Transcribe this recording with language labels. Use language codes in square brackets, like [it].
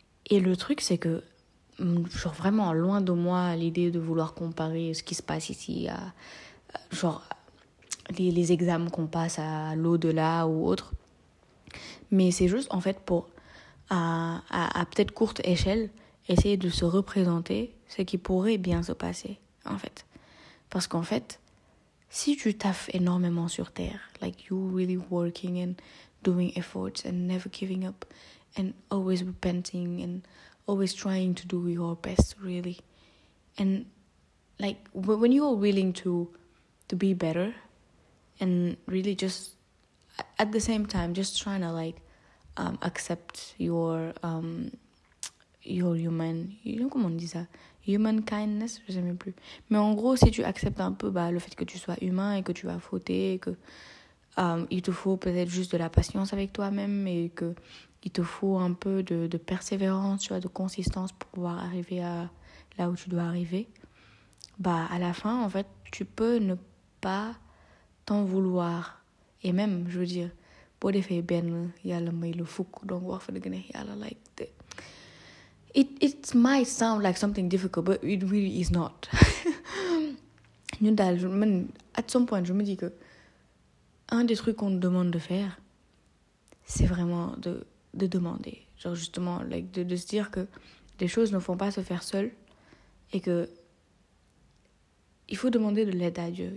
[fr] Et le truc, c'est que, genre vraiment, loin de moi, l'idée de vouloir comparer ce qui se passe ici à, genre, les examens qu'on passe à l'au-delà ou autre. Mais c'est juste, en fait, pour, à peut-être courte échelle, essayer de se représenter ce qui pourrait bien se passer, en fait. Parce qu'en fait, si tu taffes énormément sur Terre, [en] like you really working and doing efforts and never giving up and always repenting and always trying to do your best, really. And like when you are willing to be better and really just at the same time just trying to like accept your human, you know, [fr] comment on dit ça? [en] Human kindness, [fr] je ne sais même plus. Mais en gros, si tu acceptes un peu bah, le fait que tu sois humain et que tu vas fauter, et que il te faut peut-être juste de la patience avec toi-même et que il te faut un peu de persévérance, tu vois, de consistance pour pouvoir arriver à là où tu dois arriver, bah à la fin, en fait, tu peux ne pas t'en vouloir. Et même, je veux dire, pour les faits bien, il y a le fouk, donc il faut le gagner, il y a le like. [en] It might sound like something difficult, but it really is not. At some point, [fr] je me dis que un des trucs qu'on te demande de faire, c'est vraiment de demander. Genre justement, like, de se dire que les choses ne font pas se faire seules et que il faut demander de l'aide à Dieu.